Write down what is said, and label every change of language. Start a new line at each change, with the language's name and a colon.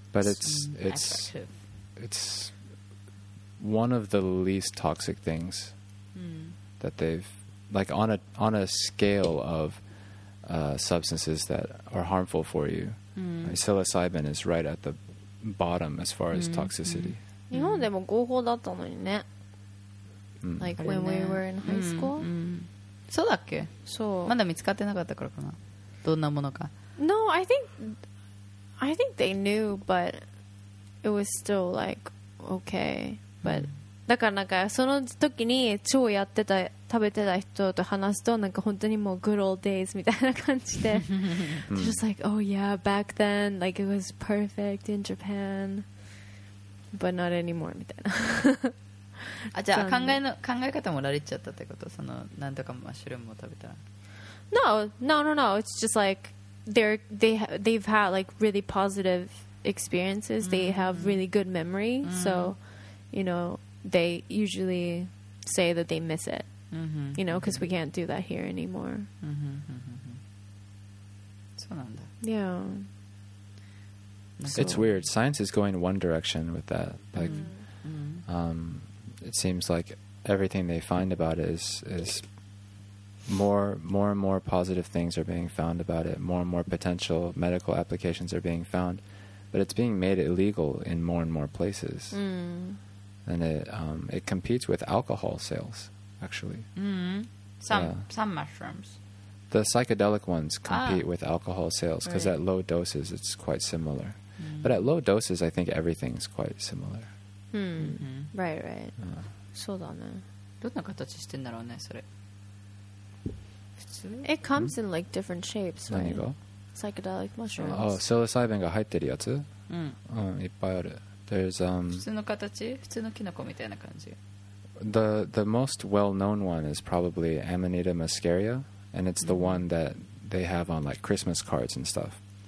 English: But it's one of the least toxic things that they've... Like, on a scale of substances that are harmful for you, psilocybin is right at the bottom as far as toxicity. Mm-hmm.
Japanese: 日本でも合法だったのにね。
English: Like when we were in high school?
Japanese: そうだっけ？そう。まだ見つかってなかったからかな。どんなものか。
English: No, I think they knew, but it was still like, okay.
Japanese: But, だからなんかその時に超やってた、食べてた人と話すと、なんか本当にもう
English: good old days
Japanese: みたいな感じで。
English: Just like, oh yeah, back then, like it was perfect in Japan. But not anymore
Japanese: みたいな。あ、じゃあ考え方もラリっちゃったってこと、そのなんとかマッシュルームを食べたら。
English: No. It's just like they've had like really positive experiences.、Mm-hmm. They have really good memory.、Mm-hmm. So, you know, they usually say that they miss it.、Mm-hmm. You know, because we can't do that here anymore.、
Japanese: Mm-hmm. そうなんだ。
English: Yeah. So. It's weird. Science is going one direction with that. Like, it seems like everything they find about it is more and more positive things are being found about it. More and more potential medical applications are being found. But it's being made illegal in more and more places. And it competes with alcohol sales, actually. Some mushrooms. The psychedelic ones compete with alcohol sales because at low doses it's quite similar. But at low doses, I think everything's quite similar. Right.
Japanese: そうだね。どんな形してんだろうね、それ。
English: It comes in like different shapes, right?
Japanese: 何が?
English: Psychedelic mushrooms.
Japanese: Oh, psilocybin が入ってるやつ?いっぱいある。
English: There's,
Japanese: 普通の形?普通のキノコみたいな感じ?
English: The most well-known one is probably Amanita muscaria, and it's the one that they have on like Christmas cards and stuff.